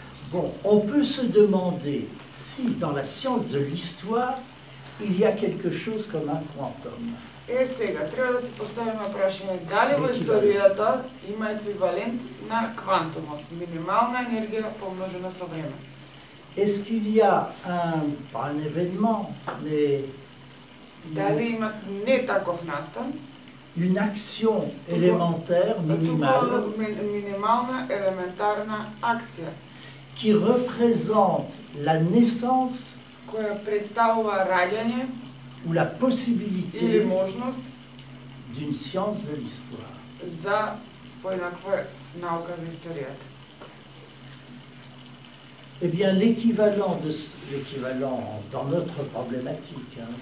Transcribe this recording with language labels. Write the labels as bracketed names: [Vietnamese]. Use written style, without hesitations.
[French] Bon, on peut se demander si dans la science de l'histoire il y a quelque chose comme un quantum. [Macedonian] Е сега, треба да се поставиме прашање, дали во историјата има еквивалент на квантумот, минимална енергија помножена со време? [French] Est-ce qu'il y a un événement, mais [Macedonian] дали има не таков настан? [French] Une action élémentaire minimale. [Macedonian] Минимална елементарна акција [French] qui représente la naissance, [Macedonian] која представува раѓање [French] ou la possibilité d'une science de l'histoire. [Macedonian] За поинаква наука на историјата. [French] Eh bien, l'équivalent de l'équivalent dans notre problématique.